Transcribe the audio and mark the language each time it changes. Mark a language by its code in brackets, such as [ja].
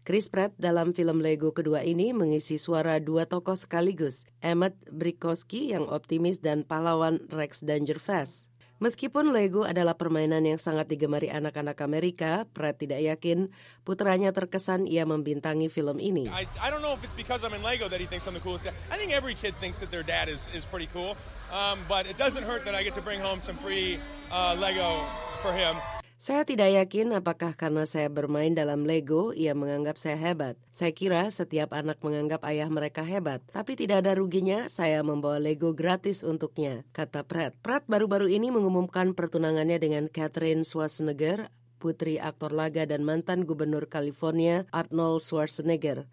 [id] Chris Pratt dalam film Lego kedua ini mengisi suara dua tokoh sekaligus, Emmett Brickowski yang optimis dan pahlawan Rex Dangerfast. Meskipun Lego adalah permainan yang sangat digemari anak-anak Amerika, Pratt tidak yakin putranya terkesan ia membintangi film ini. [en] I don't know if it's because I'm in Lego that he thinks I'm the coolest dad. I think every kid thinks that their dad is pretty cool. But it doesn't hurt that I get to bring home some free Lego for him. [id] Saya tidak yakin apakah karena saya bermain dalam Lego, ia menganggap saya hebat. Saya kira setiap anak menganggap ayah mereka hebat. Tapi tidak ada ruginya, saya membawa Lego gratis untuknya, kata Pratt. Pratt baru-baru ini mengumumkan pertunangannya dengan Catherine Schwarzenegger, putri aktor laga dan mantan gubernur California, Arnold Schwarzenegger.